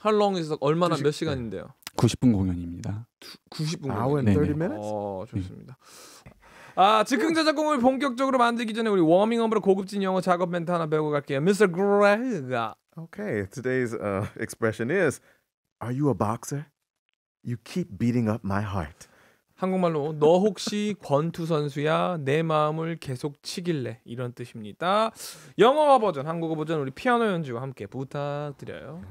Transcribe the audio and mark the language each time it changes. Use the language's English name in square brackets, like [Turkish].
[English] How long is the [Korean] 얼마나 몇 시간인데요? 90분 공연입니다 90분 [English] 공연 Hour and 30 minutes? [Korean] 좋습니다 즉흥 저작곡을 본격적으로 만들기 전에 우리 워밍업으로 고급진 영어 작업 멘트 하나 배우고 갈게요. [English] Mr. Greg. Okay, today's expression is Are you a boxer? You keep beating up my heart. [Korean] 한국말로 너 혹시 권투 선수야? 내 마음을 계속 치길래 이런 뜻입니다. 영어 버전, 한국어 버전 우리 피아노 연주와 함께 부탁드려요.